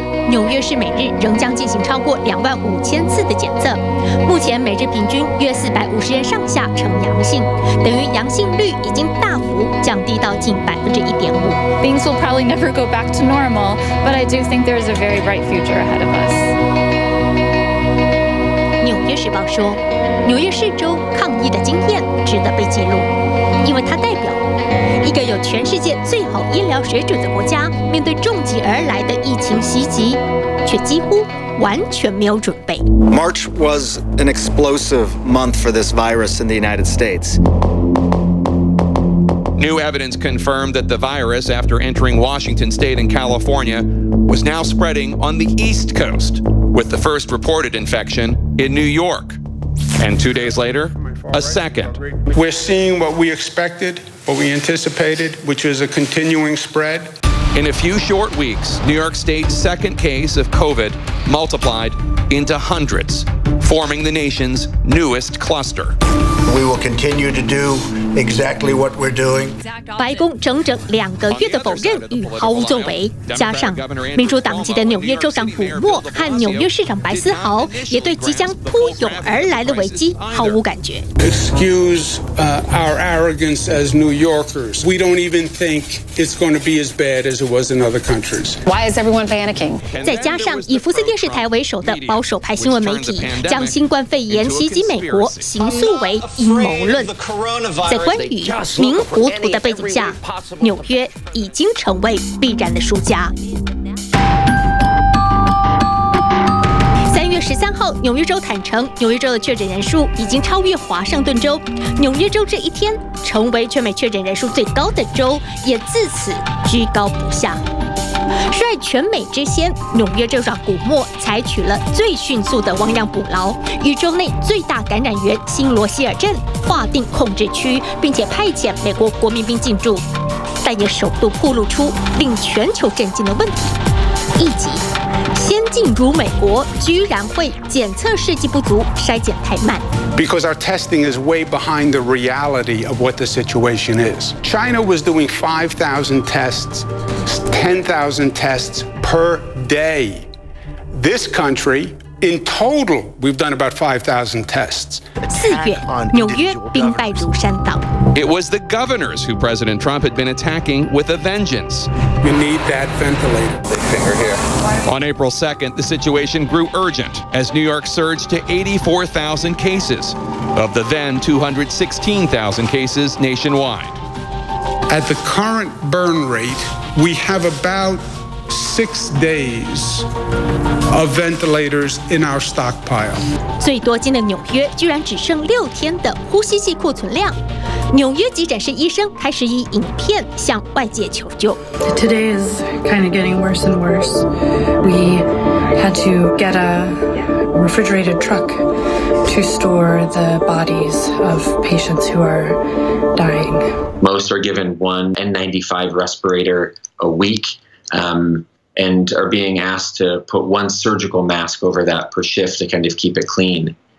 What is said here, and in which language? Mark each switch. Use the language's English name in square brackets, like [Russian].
[Chinese] 纽约市每日仍将进行超过25000次的检测，目前每日平均约450人上下呈阳性，等于阳性率已经大幅降低到近1.5%。 [English] Things will probably never go back to normal, but I do think there is a very bright future ahead of us. [Chinese] 纽约时报说，纽约市州抗疫的经验值得被记录，因为它代表。一个有全世界最好医疗水准的国家，面对重疾而来的疫情袭击，却几乎完全没有准备。 [English] March was an explosive month for this virus in the United States. New evidence confirmed that the virus, after entering Washington State in California, was now spreading on the East Coast, with the first reported infection in New York. And 2 days later, a second. We're seeing what we expected. What we anticipated, which is a continuing spread. In a few short weeks, New York State's second case of COVID multiplied into hundreds, forming the nation's newest cluster. We will continue to do exactly what we're doing. [Chinese] 白宫整整两个月的否认与毫无作为，加上民主党籍的纽约州长古莫和纽约市长白思豪也对即将扑涌而来的危机毫无感觉。 [English] Excuse our arrogance as New Yorkers. We don't even think it's going to be as bad as it was in other countries. Why is everyone panicking? [Chinese] 再加上以福斯电视台为首的保守派新闻媒体将新冠肺炎袭击美国形塑为阴谋论。在关羽明糊涂的背景下，纽约已经成为必然的输家。 3月13号，纽约州坦承，纽约州的确诊人数已经超越华盛顿州。纽约州这一天成为全美确诊人数最高的州，也自此居高不下。率全美之先，纽约州长古莫采取了最迅速的亡羊补牢，与州内最大感染源新罗希尔镇划定控制区，并且派遣美国国民兵进驻，但也首度暴露出令全球震惊的问题。一级，先进如美国居然会检测试剂不足，筛检太慢。 [English] Because our testing is way behind the reality of what the situation is. China was doing 5,000 tests, 10,000 tests per day. This country, in total, we've done about 5,000 tests. [Chinese] 四月，纽约兵败如山倒。 [English] It was the governors who President Trump had been attacking with a vengeance. You need that ventilator. Big finger here. On April 2nd, the situation grew urgent as New York surged to 84,000 cases of the then 216,000 cases nationwide. At the current burn rate, we have about 6 days of ventilators in our stockpile. [Chinese] 最多金的纽约居然只剩六天的呼吸器库存量。纽约急诊室医生开始以影片向外界求救。 [English] Today is kind of getting worse and worse. We had to get a refrigerated truck to store the bodies of patients who are dying. Most are given one N95 respirator a week, and are being asked to put one surgical mask over that per shift to kind of keep it clean.